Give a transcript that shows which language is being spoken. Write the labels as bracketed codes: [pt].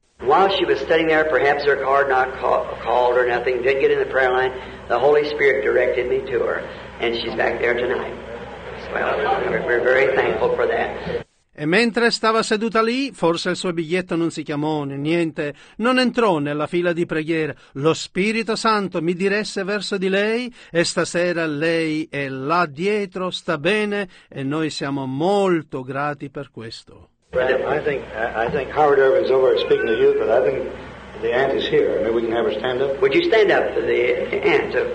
[en] While she was sitting there, perhaps her card not called or nothing, didn't get in the prayer line, the Holy Spirit directed me to her, and she's back there tonight. Well, we're very thankful for that. [it] E mentre stava seduta lì, forse il suo biglietto non si chiamò, né niente, non entrò nella fila di preghiera. Lo Spirito Santo mi diresse verso di lei e stasera lei è là dietro, sta bene e noi siamo molto grati per questo. [en] I think Howard Irvin's over speaking to you, but I think the aunt is here. Maybe we can have her stand up. Would you stand up for the aunt?